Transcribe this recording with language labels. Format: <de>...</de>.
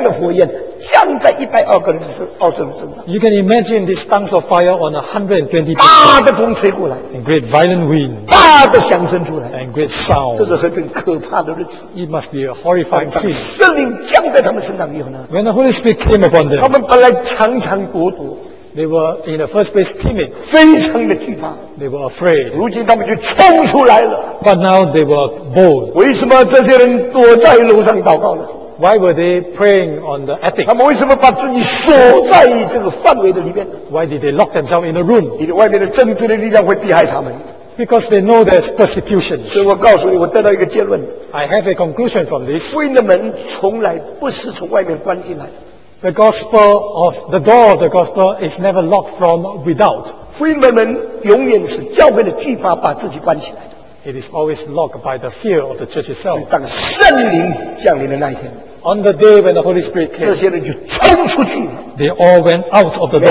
<zh>所以你可以想象120个人头上都有一个像石头一样的火焰降在120个人身上。</zh> <en>You can imagine these tongues of fire on 120.</en> <zh>大的风吹过来。</zh> <en>And great violent wind.</en> <zh>大的响声出来。</zh> <en>And great sound.</en> <zh>这是很可怕的日子。</zh> <en>It must be a horrifying scene.</en> <zh>圣灵降在他们身上以后呢？</zh> <en>When the Holy Spirit came upon them.</en> <zh>他们本来常常躲躲。</zh> <en>They were in the first place timid.</en> <zh>非常的惧怕。</zh> <en>They were afraid.</en> <zh>如今他们就冲出来了。</zh> <en>But now they were bold.</en> <zh>为什么这些人躲在楼上祷告呢？</zh> <en>Why were they praying on the attic?</en> <zh>他们为什么把自己锁在这个范围的里面？</zh> <en>Why did they lock themselves in a room?</en> <zh>因为外面的政治的力量会逼害他们。</zh> <en>Because they know there's persecution.</en> <zh>所以我告诉你，我得到一个结论。</zh> <en>I have a conclusion from this.</en> <zh>福音的门从来不是从外面关进来。</zh> <en>The gospel of the door of the gospel is never locked from without.</en> <zh>福音的门永远是教会的惧怕把自己关起来。</zh> <en>It is always locked by the fear of the church itself.</en> <zh>当圣灵降临的那一天。</zh> <en>On the day when the Holy Spirit came,</en> <zh>这些人就冲出去。</zh> <en>They all went out of the door.</en>